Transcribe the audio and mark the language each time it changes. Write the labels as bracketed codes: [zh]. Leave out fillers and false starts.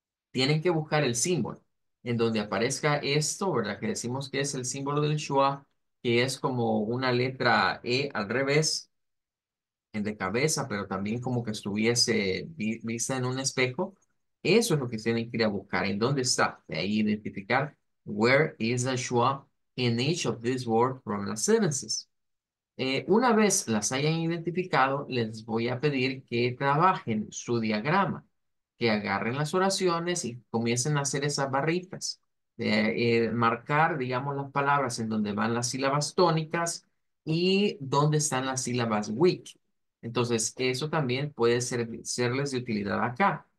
[es] Tienen que buscar el símbolo en donde aparezca esto, ¿verdad? Que decimos que es el símbolo del schwa, que es como una letra E al revés, en de cabeza, pero también como que estuviese vista en un espejo. Eso es lo que tienen que ir a buscar. ¿En dónde está? De ahí identificar. [en] Where is the schwa in each of these words from the sentences? [es] Una vez las hayan identificado, les voy a pedir que trabajen su diagrama, que agarren las oraciones y comiencen a hacer esas barritas. Marcar, digamos, las palabras en donde van las sílabas tónicas ¿Y dónde están las sílabas weak? Entonces, eso también puede serles de utilidad acá.